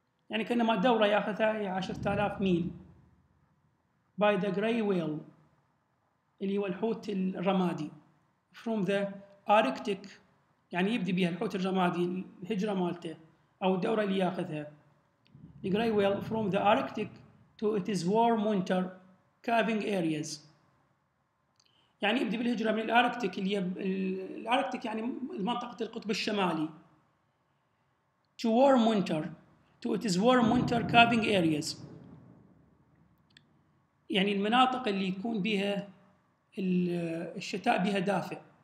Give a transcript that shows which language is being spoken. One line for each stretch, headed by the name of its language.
Arabic: يعني كأنما دورة يأخذها 10,000 ميل.
English: By the grey whale,
Arabic: اللي هو الحوت الرمادي,
English: from the Arctic,
Arabic: يعني يبدي بها الحوت الرمادي الهجرة مالته. أو الدورة اللي يأخذها.
English: The grey whale from the Arctic to its warm winter calving areas.
Arabic: يعني يبدأ بالهجرة من الأركتيك اللي الأركتيك يعني منطقة القطب الشمالي.
English: To warm winter to its warm winter calving areas.
Arabic: يعني المناطق اللي يكون بها الشتاء بها دافئ.